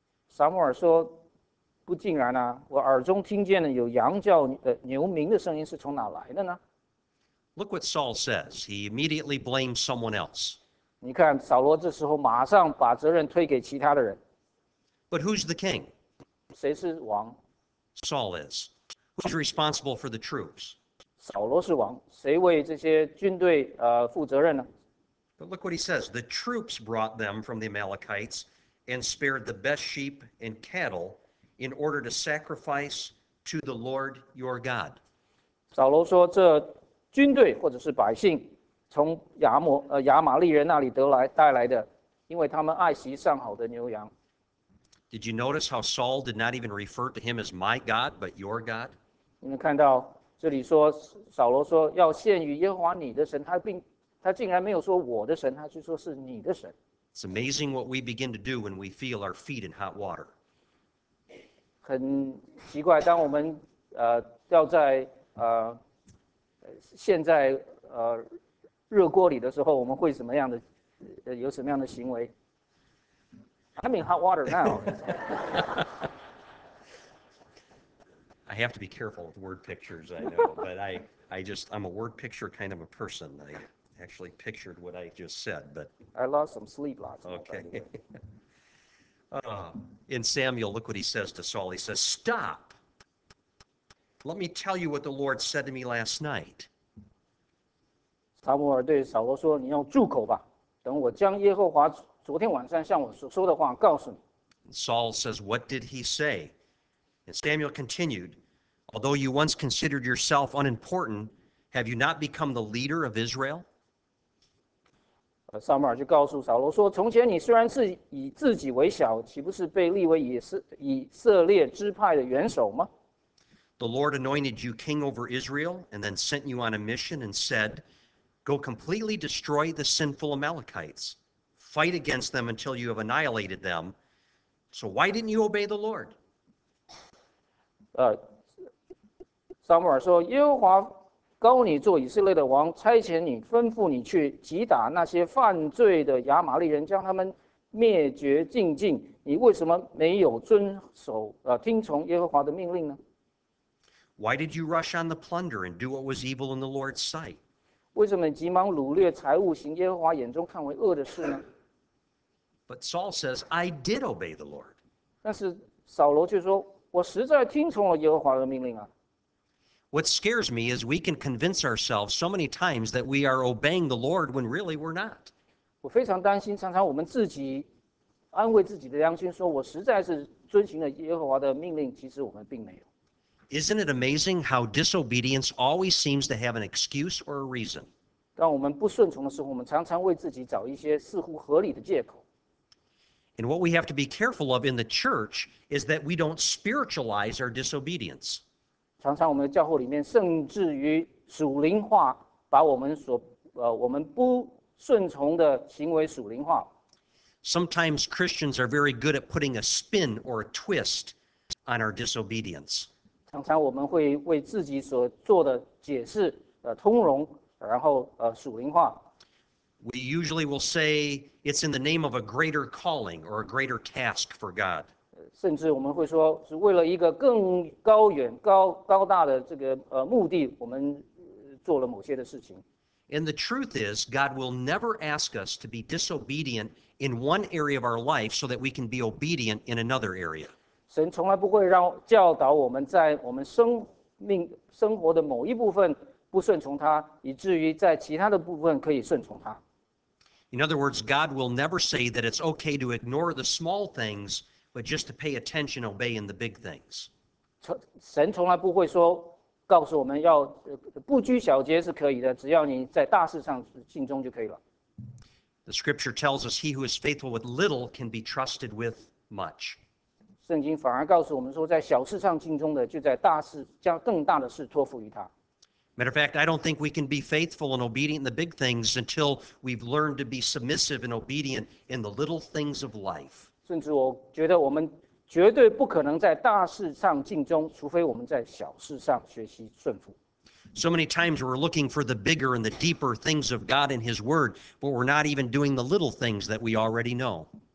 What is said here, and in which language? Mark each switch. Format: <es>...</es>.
<zh>Samuel 说，不竟然啊，我耳中听见了有羊叫的牛鸣的声音，是从哪来的呢？</zh> <en>Look what Saul says. He immediately blames someone else.</en> <zh>你看，扫罗这时候马上把责任推给其他的人。</zh> <en>But who's the king?</en> <zh>谁是王？</zh> <en>Saul is. Who's responsible for the troops?</en> <zh>扫罗是王，谁为这些军队负责任呢？</zh> <en>But look what he says. The troops brought them from the Amalekites and spared the best sheep and cattle in order to sacrifice to the Lord your God.</en> <zh>扫罗说，这军队或者是百姓从亚玛利人那里带来的，因为他们爱惜上好的牛羊。</zh> <en>Did you notice how Saul did not even refer to him as my God, but your God?</en> <zh>你们看到这里说，扫罗说要献于耶和华你的神，他竟然没有说我的神，他就说是你的神。</zh> <en>It's amazing what we begin to do when we feel our feet in hot water.</en> <zh>很奇怪，当我们掉在陷在热锅里的时候，我们会怎么样的有什么样的行为？</zh> <en>I'm in hot water now. I have to be careful with word pictures, I know, but I'm a word picture kind of a person. I actually pictured what I just said, but... I lost some sleep last night. Okay. In Samuel, look what he says to Saul. He says, "Stop! Let me tell you what the Lord said to me last night."</en> <zh>Samuel 对扫罗说，你要住口吧，等我将耶和华昨天晚上向我所说的话告诉你。</zh> <en>Saul says, "What did he say?" And Samuel continued, "Although you once considered yourself unimportant, have you not become the leader of Israel?"</en> <zh>撒母耳就告诉扫罗说，从前你虽然是以自己为小，岂不是被立为以色列支派的元首吗？</zh> <en>The Lord anointed you king over Israel and then sent you on a mission and said, "Go completely destroy the sinful Amalekites. Fight against them until you have annihilated them." So why didn't you obey the Lord?</en> <zh>撒母耳说：“耶和华高你做以色列的王，差遣你，吩咐你去击打那些犯罪的亚玛力人，将他们灭绝净尽。你为什么没有遵守，听从耶和华的命令呢？”</zh> <en>Why did you rush on the plunder and do what was evil in the Lord's sight?</en> <zh>为什么急忙掳掠财物，行耶和华眼中看为恶的事呢？</zh> <en>But Saul says, I did obey the Lord.</en> <zh>但是扫罗却说，我实在听从了耶和华的命令啊。</zh> <en>What scares me is we can convince ourselves so many times that we are obeying the Lord when really we're not.</en> <zh>我非常担心，常常我们自己安慰自己的良心，说我实在是遵行了耶和华的命令，其实我们并没有。</zh> <en>Isn't it amazing how disobedience always seems to have an excuse or a reason?</en> <zh>当我们不顺从的时候，我们常常为自己找一些似乎合理的借口。</zh> <en>And what we have to be careful of in the church is that we don't spiritualize our disobedience.</en> <zh>常常我们的教会里面，甚至于属灵化，把我们所我们不顺从的行为属灵化。</zh> <en>Sometimes Christians are very good at putting a spin or a twist on our disobedience.</en> <zh>常常我们会为自己所做的解释通融，然后属灵化。</zh> <en>We usually will say it's in the name of a greater calling or a greater task for God.</en> <zh>甚至我们会说是为了一个更高远、高大的这个目的，我们做了某些的事情。</zh> <en>And the truth is, God will never ask us to be disobedient in one area of our life so that we can be obedient in another area.</en> <zh>神从来不会让教导我们在我们生活的某一部分不顺从他，以至于在其他的部分可以顺从他。</zh> <en>In other words, God will never say that it's okay to ignore the small things, but just to pay attention and obey in the big things.</en> <zh>神从来不会说，告诉我们要不拘小节是可以的，只要你在大事上尽忠就可以了。</zh> <en>The scripture tells us he who is faithful with little can be trusted with much.</en> <zh>圣经反而告诉我们说，在小事上尽忠的，就在大事，将更大的事托付于他。</zh> <en>Matter of fact, I don't think we can be faithful and obedient in the big things until we've learned to be submissive and obedient in the little things of life.</en> <zh>甚至我觉得我们绝对不可能在大事上尽忠，除非我们在小事上学习顺服。</zh> <en>So many times we're looking for the bigger and the deeper things of God in His Word, but we're not even doing the little things that we already know.</en>